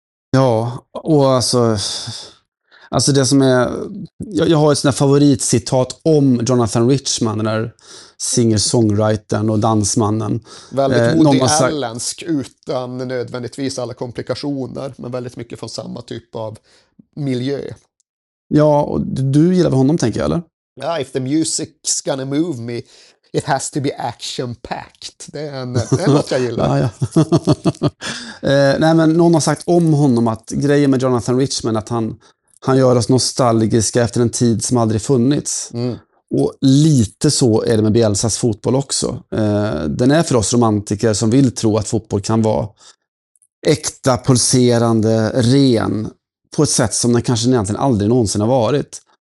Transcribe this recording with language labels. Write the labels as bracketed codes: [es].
[sv] Ja, och alltså det som är, jag har ett sådant här favoritcitat om Jonathan Richman, den där singer-songwritern och dansmannen. Väldigt Woody Allensk, utan nödvändigtvis alla komplikationer, men väldigt mycket från samma typ av miljö. Ja, och du gillar väl honom, tänker jag, eller? [en] Ja, if the music's gonna move me, it has to be action-packed. [sv] Det är något jag gillar. Ja, ja. Nej, men någon har sagt om honom att grejen med Jonathan Richman att han gör oss nostalgiska efter en tid som aldrig funnits. Mm. Och lite så är det med Bielsas fotboll också. Den är för oss romantiker som vill tro att fotboll kan vara äkta, pulserande, ren på ett sätt som den kanske egentligen aldrig någonsin har varit.